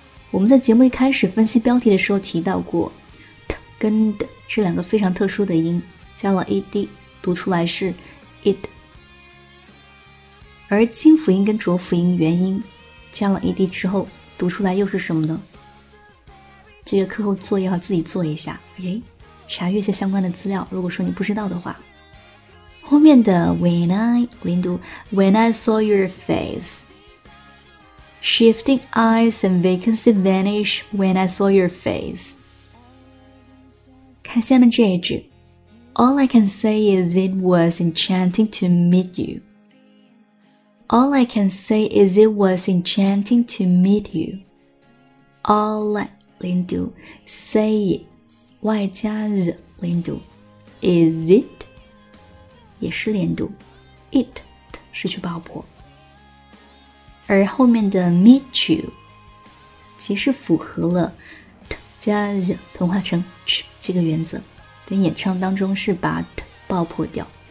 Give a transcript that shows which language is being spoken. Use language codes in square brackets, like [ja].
[zh] 我们在节目一开始分析标题的时候提到过 t 跟 d 这两个非常特殊的音，加了 ed 读出来是 id。而清辅音跟浊辅音元音加了 ed 之后读出来又是什么呢？这个课后作业要自己做一下，哎，查阅一些相关的资料，如果说你不知道的话。 [en] 后面的 when I 连读 when I saw your faceShifting eyes and vacancy vanish when I saw your face. [zh] 看下面这一句。 [en] All I can say is it was enchanting to meet you. All I can say is it was enchanting to meet you. All I, 连读 say it, 外加 the, 连读 is it, 也是连读 it, 失去爆破。 [zh] 而后面的 meet you 其实符合了 t 加 z 同化成 ch 这个原则，在演唱当中是把 t 爆破掉。